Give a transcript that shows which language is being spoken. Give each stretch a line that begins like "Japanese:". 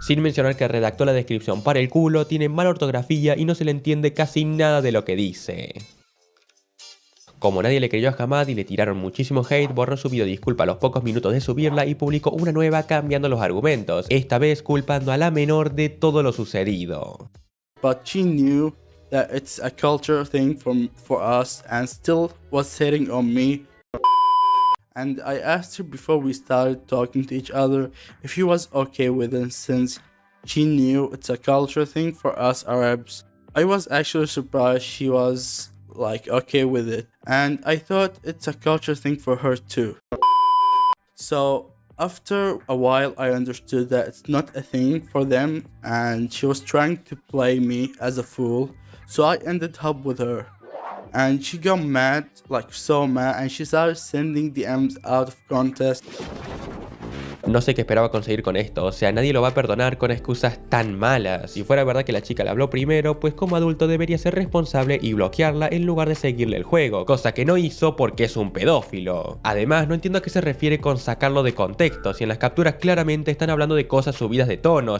Spanish: Sin mencionar que redactó la descripción para el culo, tiene mala ortografía y no se le entiende casi nada de lo que dice. Como nadie le creyó a Hamad y le tiraron muchísimo hate, borró su video disculpa a los pocos minutos de subirla y publicó una nueva cambiando los argumentos, esta vez culpando a la menor de todo lo sucedido.
English: But she knew that it's a culture thing for us and still was hitting on me. And I asked her before we started talking to each other if she was okay with it, since she knew it's a culture thing for us Arabs. I was actually surprised she was like okay with it, and I thought it's a culture thing for her too. So after a while I understood that it's not a thing for them, and she was trying to play me as a fool, so I ended up with her. And she got mad, like so mad, and she started sending DMs out of context.
Spanish: No sé qué esperaba conseguir con esto, o sea, nadie lo va a perdonar con excusas tan malas. Si fuera verdad que la chica le habló primero, pues como adulto debería ser responsable y bloquearla en lugar de seguirle el juego, cosa que no hizo porque es un pedófilo. Además, no entiendo a qué se refiere con sacarlo de contexto, si en las capturas claramente están hablando de cosas subidas de tono.